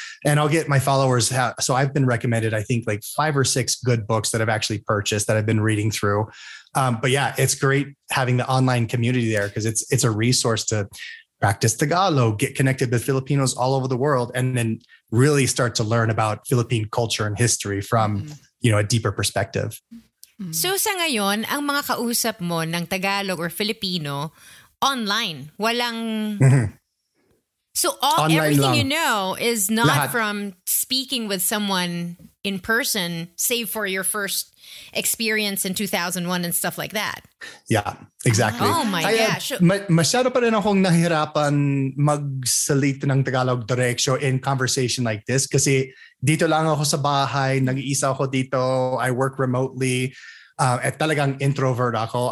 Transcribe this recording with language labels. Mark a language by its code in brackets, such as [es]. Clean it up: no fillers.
[en] And I'll get my followers. So I've been recommended, I think, like 5 or 6 good books that I've actually purchased that I've been reading through. But yeah, it's great having the online community there because it's a resource to practice Tagalog, get connected with Filipinos all over the world, and then really start to learn about Philippine culture and history from, you know, a deeper perspective. [tl] So sa ngayon, ang mga kausap mo ng Tagalog or Filipino online, walang... [en] So all online everything [tl] lang. [en] You know is not [tl] lahat. [en] From speaking with someone in person, save for your first experience in 2001 and stuff like that. Yeah, exactly. Oh my gosh. [tl] Masyado pa rin akong nahirapan magsalita ng Tagalog diretso [en] in conversation like this [tl] kasi dito lang ako sa bahay, nag-iisa ako dito, [en] I work remotely, [tl] at talagang introvert ako.